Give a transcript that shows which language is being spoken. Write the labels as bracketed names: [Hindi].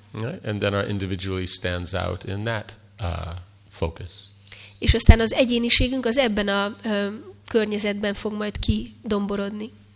[English] Right. And then our individuality stands out in that focus. [Hungarian] És aztán az egyéniségünk az ebben a környezetben fog majd kidomborodni.